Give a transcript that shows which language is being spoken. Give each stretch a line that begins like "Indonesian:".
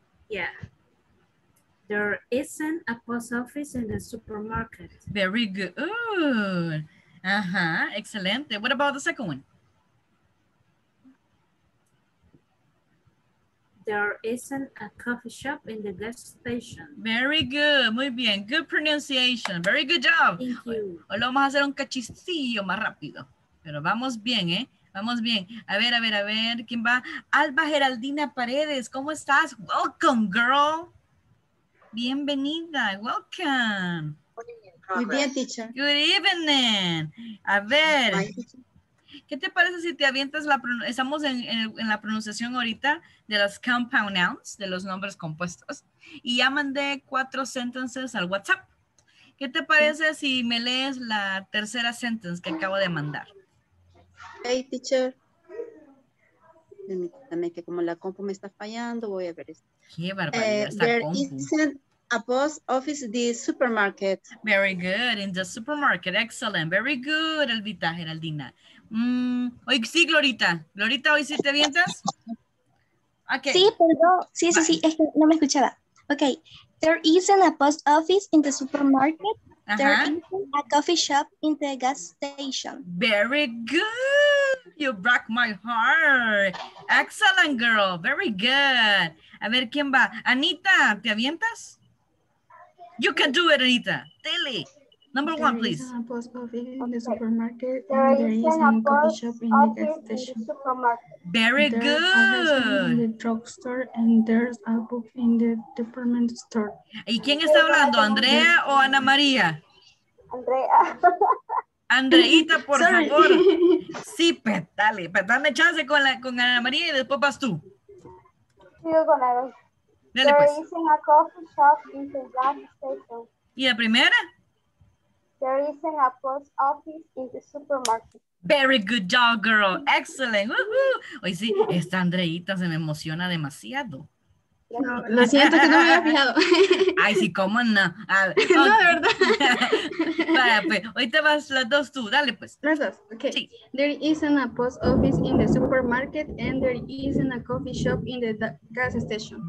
English: Yeah, there isn't a post office in the supermarket. Very good. Uh-huh, excellent. What about the second one? There isn't a coffee shop in the gas station. Very good,
Spanish: muy bien.
English: Good pronunciation, very good job. Thank you.
Spanish: Hoy lo vamos a hacer un cachicillo más rápido, pero vamos bien, ¿eh? Vamos bien. A ver. ¿Quién va? Alba Geraldina Paredes. ¿Cómo estás?
English: Welcome, girl.
Spanish: Bienvenida.
English: Welcome.
Spanish: Muy bien, teacher.
English: Good evening.
Spanish: A ver. ¿Qué te parece si te avientas la... Estamos en la pronunciación ahorita de las
English: compound nouns,
Spanish: de los nombres compuestos. Y ya mandé
English: 4 sentences
Spanish: al WhatsApp. ¿Qué te parece si me lees la tercera sentence que acabo de mandar?
English: Hey, teacher.
Spanish: Permítame que como la compu me está fallando, voy a ver esto. Qué barbaridad,
English: A post office, the supermarket. Very good, in the supermarket, excellent. Very good, Elvita, Geraldina.
Spanish: Hoy sí, Glorita. Glorita, ¿hoy sí te vientas? Okay. Sí, perdón. Sí, sí, sí, es que no me escuchaba. Okay.
English: There isn't a post office in the supermarket. Uh-huh. There isn't a coffee shop in the gas station. Very good. You broke my heart. Excellent, girl. Very good.
Spanish: A ver, ¿quién va?
English: Anita,
Spanish: ¿te avientas?
English: You can do it, Anita. Dale. Number there one, please. There is a post office in the supermarket. There is a coffee shop in the gas station. Very there's good. There's a drugstore and there's a book in the department store.
Spanish: ¿Y quién está hablando? ¿Andrea o Ana María? Andrea. Andreita, por favor. Sí, pues, dale. Pues, dame chance con, con Ana María y después vas tú. Sigo con la dos. Dale,
English: there
Spanish: pues.
English: There is a coffee shop in the gas station.
Spanish: ¿Y la primera?
English: There isn't a post office in the supermarket. Very good job, girl. Excellent. Woo-hoo.
Spanish: Hoy sí, esta Andreita se me emociona demasiado. No, lo siento que no me había fijado. Ay, sí, cómo no. Okay. No, de verdad. Vaya, pues, hoy te vas las dos tú. Dale, pues. Las dos. Okay. Sí.
English: There isn't a post office in the supermarket and there isn't a coffee shop in the gas station.